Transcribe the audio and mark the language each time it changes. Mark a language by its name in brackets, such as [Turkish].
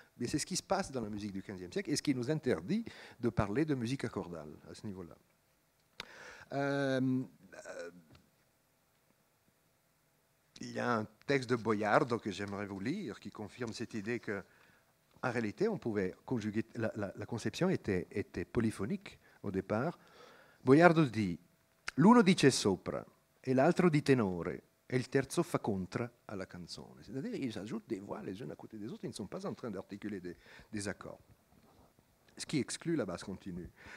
[French] Mais c'est ce qui se passe dans la musique du XVe siècle et ce qui nous interdit de parler de musique accordale à ce niveau-là. Il y a un texte de Boiardo que j'aimerais vous lire qui confirme cette idée que en réalité, on pouvait conjuguer. La conception était polyphonique au départ. [Italian] Boiardo dit: l'uno dice sopra, et l'altro di tenore, et il terzo fa contra alla canzone. [French] C'est-à-dire qu'ils ajoutent des voix les unes à côté des autres, ils ne sont pas en train d'articuler des accords. Ce qui exclut la basse continue.